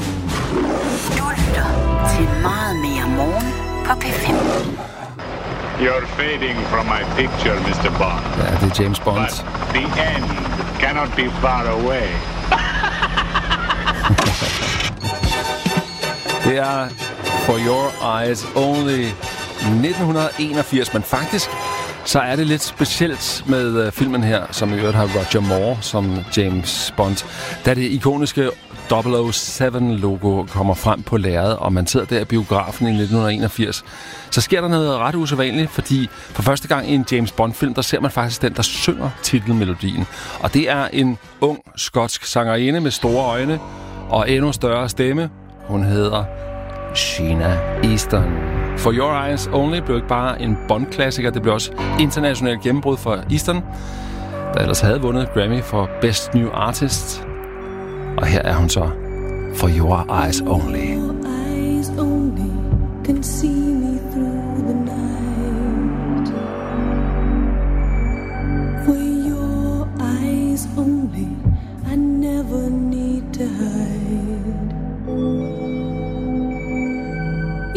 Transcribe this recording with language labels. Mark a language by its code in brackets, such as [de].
[da] Du lytter til meget mere morgen på P5. [en] You're fading from my picture, Mr. Bond. [da] Ja, det er James Bond. [en] But the end cannot be far away. [da] Det er For Your Eyes Only 1981, men faktisk så er det lidt specielt med filmen her, som i øvrigt har Roger Moore som James Bond, da det ikoniske 007-logo kommer frem på lærredet, og man sidder der i biografen i 1981, så sker der noget ret usædvanligt, fordi for første gang i en James Bond-film, der ser man faktisk den, der synger titelmelodien. Og det er en ung skotsk sangerinde med store øjne og endnu større stemme. Hun hedder Sheena Easton. For Your Eyes Only blev ikke bare en Bond-klassiker, det blev også internationalt gennembrud for Easton, der ellers havde vundet Grammy for Best New Artist. Og her er hun så, For Your Eyes Only. [en] For your eyes only can see me through the night. For your eyes only, I never never need to hide.